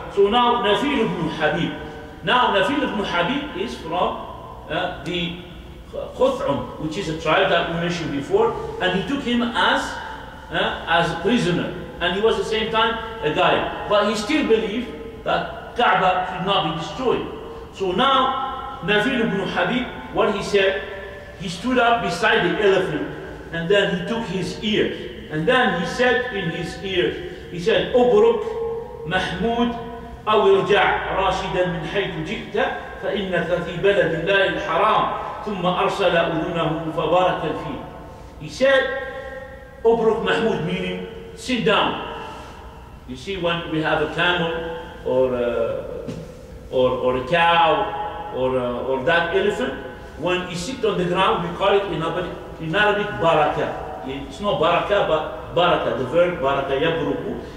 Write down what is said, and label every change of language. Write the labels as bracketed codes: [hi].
[en] So now Nafil ibn Habib. Now Nafil ibn Habib is from the Khut'um, which is a tribe that we mentioned before, and he took him as a prisoner. And he was at the same time a guide. But he still believed that Kaaba should not be destroyed. So now Nafil ibn Habib, what he said, he stood up beside the elephant and then he took his ear. And then he said [ar] in his ear, he said, "Ubruk محمود أو ارجع راشدا من حيث جئت فإنك في بلد الله الحرام ثم أرسل أذنه فبارك فيه." [en] He said, "Ubruk Mahmud," meaning sit down. You see, when we have a camel or a cow or that elephant, when you sit on the ground, we call it in Arabic baraka. It's not baraka, but baraka, the verb baraka yabruku.